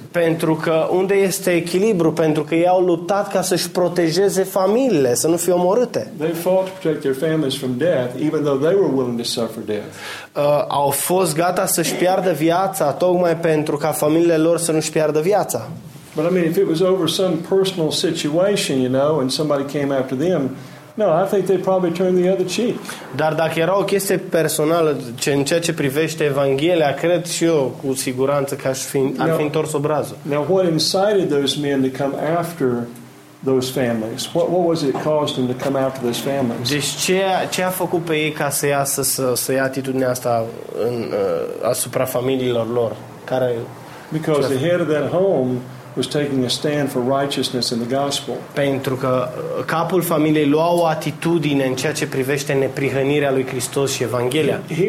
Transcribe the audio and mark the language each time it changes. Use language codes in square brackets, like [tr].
[ro] Pentru că unde este echilibru? Pentru că ei au luptat ca să-și protejeze familiile, să nu fie omorâte. [en] They fought to protect their families from death, even though they were willing to suffer death. [ro] Au fost gata să-și piardă viața tocmai pentru ca familiile lor să nu-și piardă viața. [en] But I mean, if it was over some personal situation, you know, and somebody came after them, no, I think they probably turned the other cheek. [ro] Dar dacă era o chestie personală, în ceea ce privește Evanghelia, cred și eu cu siguranță că ar fi întors obrazul. [en] Now, what incited those men to come after those families? What was it caused them to come after those families? [ro] Deci ce a făcut pe ei ca să iasă să ia atitudinea asta asupra familiilor lor? [en] Because the head of that home was taking a stand for righteousness in the gospel. [ro] Pentru că capul familiei lua o atitudine în ceea ce privește neprihănirea lui Hristos și Evanghelia.